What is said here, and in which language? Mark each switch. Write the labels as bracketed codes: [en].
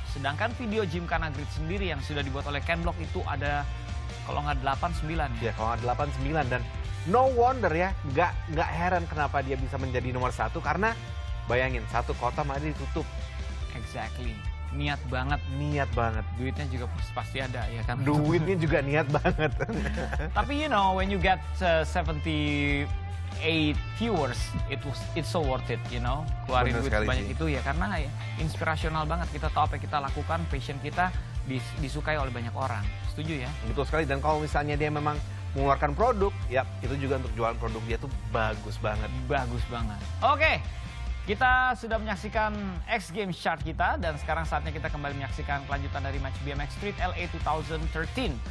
[id] Sedangkan video Gymkhana Grid sendiri yang sudah dibuat oleh Ken Block itu ada kalau nggak 8-9. Ya, kalau nggak 8-9. Dan [en] no wonder [id] ya, nggak heran kenapa dia bisa menjadi nomor satu. Karena bayangin, satu kota malah ditutup. Exactly. Niat banget. Niat banget. Duitnya juga pasti ada, ya kan? Duitnya juga niat banget. Tapi [en] you know, when you get 78 viewers, it's so worth it, you know? [id] Keluarin duit banyak sih. Itu ya, karena ya, inspirasional banget. Kita tahu apa yang kita lakukan, passion kita disukai oleh banyak orang. Setuju ya? Betul sekali, dan kalau misalnya dia memang mengeluarkan produk, ya itu juga untuk jualan produk dia tuh bagus banget. Bagus banget. Oke, Kita sudah menyaksikan X Games Chart kita dan sekarang saatnya kita kembali menyaksikan kelanjutan dari match BMX Street LA 2013.